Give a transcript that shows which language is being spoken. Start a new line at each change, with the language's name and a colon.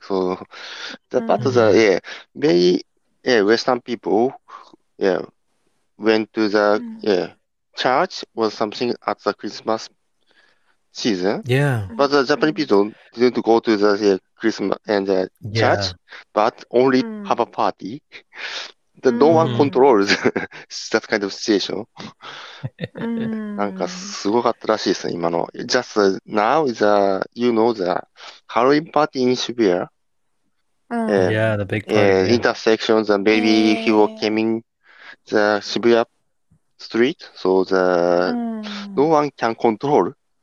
English: So the but the very Western people went to the church or something at the Christmas season. But the Japanese people didn't go to the Christmas and the church, but only have a party. The no one controls that kind of situation.
Japanese: なんかすごかったらしいですね、今の。
English: Just now is you know the Halloween party in Shibuya. Yeah, the big part, yeah. Intersections and maybe he was coming the Shibuya street, so the no one can control.